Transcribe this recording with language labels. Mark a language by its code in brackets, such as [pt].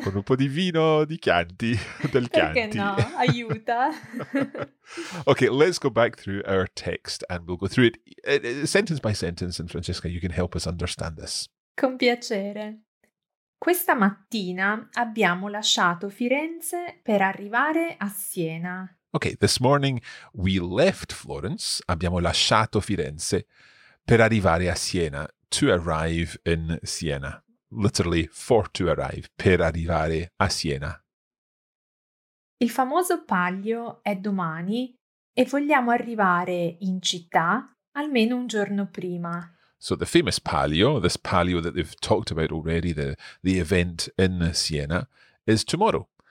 [it] Con un po' di vino di Chianti, del Chianti. Perché no? Aiuta. [en] Okay, let's go back through our text and we'll go through it sentence by sentence. And Francesca, you can help us understand this. [it] Con piacere. Questa mattina abbiamo lasciato Firenze per arrivare a Siena. [en] Okay, this morning we left Florence, [it] abbiamo lasciato Firenze per arrivare a Siena, [en] to arrive in Siena. Literally, for to arrive, [it] per arrivare a Siena. Il famoso palio è domani e vogliamo arrivare in città almeno un giorno prima. [en] So the famous palio, this palio that they've talked about already, the event in Siena, is tomorrow.